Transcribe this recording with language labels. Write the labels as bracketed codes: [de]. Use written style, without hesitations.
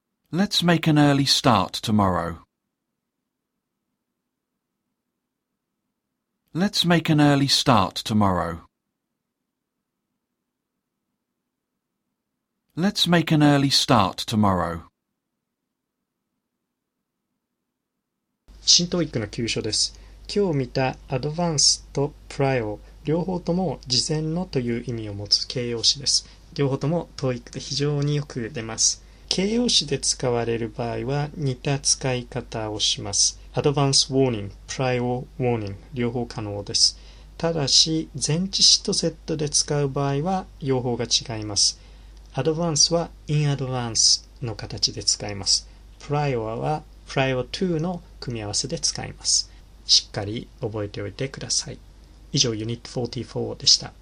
[en] Let's make an early start tomorrow. Let's make an early start tomorrow. Let's make an early start tomorrow. [ja] 新TOEICの9章です。今日見たアドバンスとプライオ両方とも事前のという意味を持つ形容詞です。両方ともTOEICで非常によく出ます。形容詞で使われる場合は似た使い方をします。 [en] Advance Warning、Prior Warning、 [ja] 両方可能です。ただし、前置詞とセットで使う場合は用法が違います。 Advance は In Advance の形で使います。 Prior は Prior To の組み合わせで使います。しっかり覚えておいてください。以上、ユニット44でした。